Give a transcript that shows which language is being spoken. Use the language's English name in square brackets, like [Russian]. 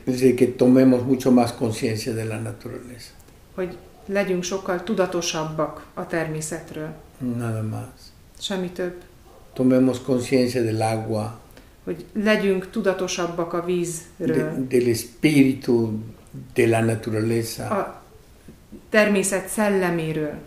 [Spanish] es de que tomemos mucho más conciencia de la naturaleza. [Hungarian] Hogy legyünk sokkal tudatosabbak a természetről. [Spanish] Nada más. [Hungarian] Semmi több. [Spanish] Tomemos conciencia del agua. [Hungarian] Hogy legyünk tudatosabbak a vízről. [Spanish] Del espíritu de la naturaleza. [Hungarian] A természet szelleméről.